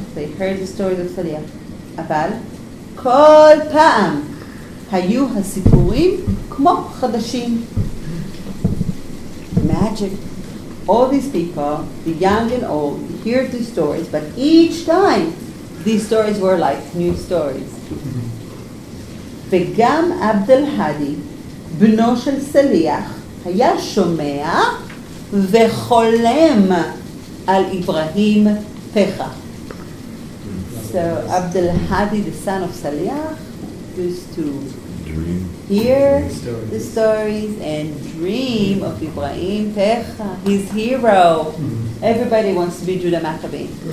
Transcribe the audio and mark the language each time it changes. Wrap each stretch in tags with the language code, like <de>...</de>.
<en>They heard the stories of Saliach.</en> <he>Aval, Kol Pa'am, Hayu HaSipurim, Kmo Chadashim.</he> <en>Magic. All these people, the young and old, hear these stories, but each time, these stories were like new stories.</en> <he>וגם Abdel Hadi, בנו של סליח, היה שומע וחולם על Ibrahim Pecha.</he> <en>So Abdel Hadi, the son of Saliach, used to hear the stories and dream of Ibrahim Pecha, his hero. Everybody wants to be Judah Maccabee.</en>